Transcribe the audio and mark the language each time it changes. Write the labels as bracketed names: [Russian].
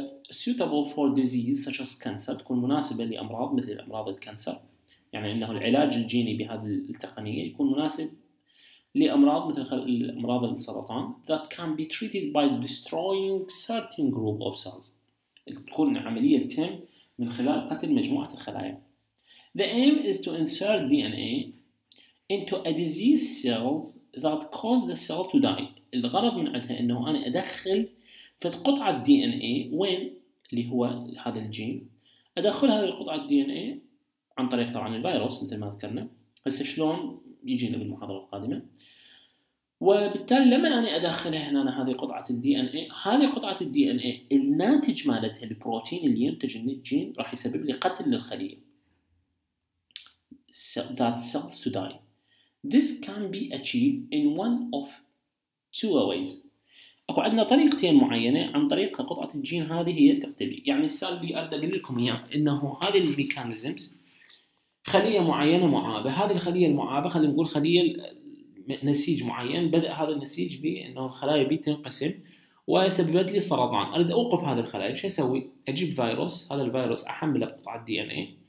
[Arabic] Suitable for disease such as cancer، تكون مناسبة لأمراض مثل أمراض الكانسر، يعني أنه العلاج الجيني بهذه التقنية يكون مناسب لأمراض مثل أمراض السرطان. [English] That can be treated by destroying certain group of cells، تكون عملية تتم من خلال قتل مجموعة الخلايا. The aim is to insert DNA into a disease cells that cause the cell to die. [Arabic] الغرض من عدها انه انا ادخل في قطعة DNA وين اللي هو هذا الجين، ادخل هذه القطعة DNA عن طريق طبعا الفيروس مثل ما ذكرنا. هسه شلون يجينا بالمحاضرة القادمة. وبالتالي لما انا ادخلها هنا أنا هذه قطعه الدي ان اي، هذه قطعه الدي ان اي الناتج مالتها البروتين اللي ينتج من الجين راح يسبب لي قتل للخليه. [English] So that cells to die. This can be achieved in one of two ways. [Arabic] اكو عندنا طريقتين معينه عن طريق قطعه الجين هذه هي تقتلي. يعني السؤال اللي اريد اقول لكم اياه انه هذه الميكانيزمز خليه معينه معابه، هذه الخليه المعابه خلينا نقول خليه نسيج معين، بدا هذا النسيج بانه الخلايا بي تنقسم وسببت لي سرطان، اريد اوقف هذه الخلايا، شو اسوي؟ اجيب فيروس، هذا الفيروس احمله بقطعه الدي ان اي.